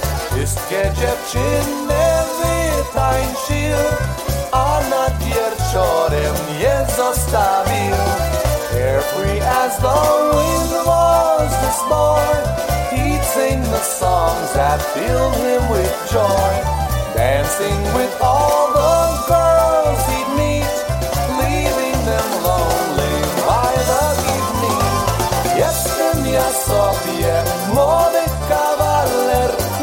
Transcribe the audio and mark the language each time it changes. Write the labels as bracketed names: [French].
[Polish] Wszystkie dziewczyny wytańczył, a nad wieczorem je zostawił. [English] Carefree as the wind was this boy, he'd sing the songs that filled him with joy. Dancing with all the girls he'd meet, leaving them lonely by the evening. [Polish] Jestem ja sobie młody kawaler.